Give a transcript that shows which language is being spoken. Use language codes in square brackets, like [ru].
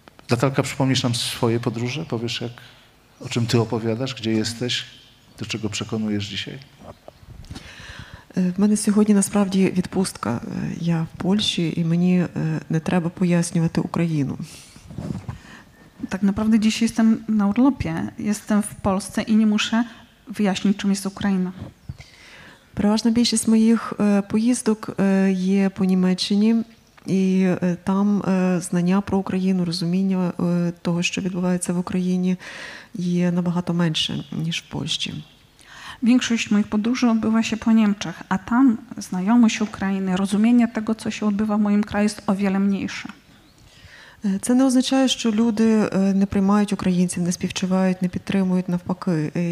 [pl] Natalka, przypomnisz nam swoje podróże? Powiesz, jak, o czym ty opowiadasz? Gdzie jesteś? Do czego przekonujesz dzisiaj? W mnie [uk] сьогодні насправді відпустка. Я в Польщі і мені не треба пояснювати Україну. [pl] Tak naprawdę dzisiaj jestem na urlopie. Jestem w Polsce i nie muszę wyjaśnić, czym jest Ukraina. [uk] Переважна більшість моїх поїздок є по Німеччині, і там знання про Україну, розуміння того, що відбувається в Україні, є набагато менше, ніж в Польщі. [pl] Większość moich podróży odbywa się po Niemczech, a tam znajomość Ukrainy, rozumienie tego, co się odbywa w moim kraju, jest o wiele mniejsze. [uk] Це не означає, що люди не приймають українців, не співчувають, не підтримують, навпаки.